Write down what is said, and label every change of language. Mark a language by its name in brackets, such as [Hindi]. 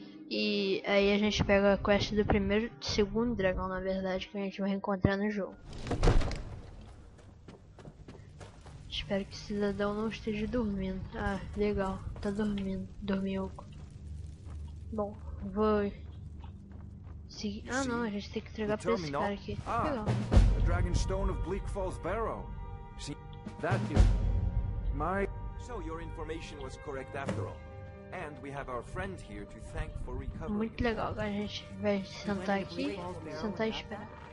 [Portuguese] E aí a gente pega a quest do primeiro, segundo dragão, na verdade, que a gente vai encontrar no jogo. Espero que o cidadão não esteja dormindo. Ah, legal. Tá dormindo. Dormiu. Bom, vou... seguir. Ah não, a gente tem que entregar pra esse cara aqui. Legal. [English] A Dragonstone of Bleak Falls Barrow. See, that is... my... So, your information was correct after all. And we have our friend here to thank for recovering. [Portuguese] Muito legal. Agora a gente vai sentar aqui. Sentar e esperar.